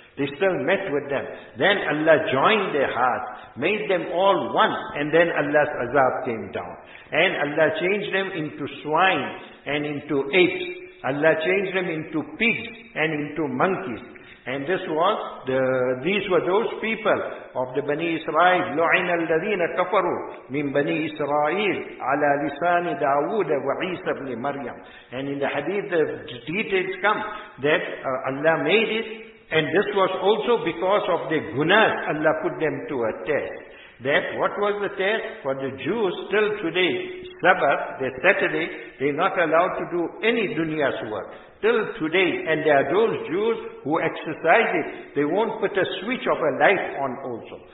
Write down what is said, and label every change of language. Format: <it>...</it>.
<en>They still met with them. Then Allah joined their hearts, made them all one, and then Allah's azab came down. And Allah changed them into swine and into apes. Allah changed them into pigs and into monkeys. And this was the, these were those people of the Bani Israel.</en> <ar>لُعِنَ الَّذِينَ كَفَرُوا مِن بَنِي إِسْرَائِيلِ عَلَى لِسَانِ دَاوُودَ وَعِيسَ بْنِ مَرْيَمَ.</ar> <en>And in the hadith, the details come that Allah made it And this was also because of the gunas Allah put them to a test. That what was the test? For the Jews till today, Sabbath, the Saturday, they're not allowed to do any dunya's work. Till today, and there are those Jews who exercise it, they won't put a switch of a light on also.</en>